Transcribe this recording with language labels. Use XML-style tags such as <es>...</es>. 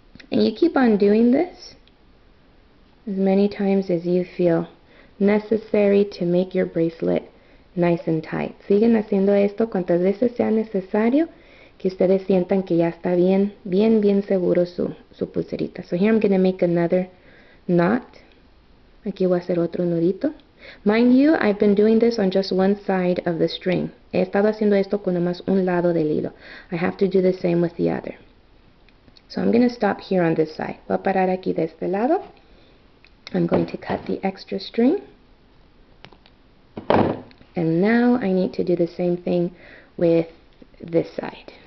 <en>And you keep on doing this as many times as you feel necessary to make your bracelet nice and tight.</en> <es>Siguen haciendo esto cuantas veces sea necesario que ustedes sientan que ya está bien, bien, bien seguro su pulserita.</es> <en>So here I'm going to make another knot.</en> <es>Aquí voy a hacer otro nudito.</es> <en>Mind you, I've been doing this on just one side of the string.</en> <es>He estado haciendo esto con nomás un lado del hilo.</es> <en>I have to do the same with the other. So I'm going to stop here on this side.</en> <es>Voy a parar aquí de este lado.</es> <en>I'm going to cut the extra string. And now I need to do the same thing with this side.</en>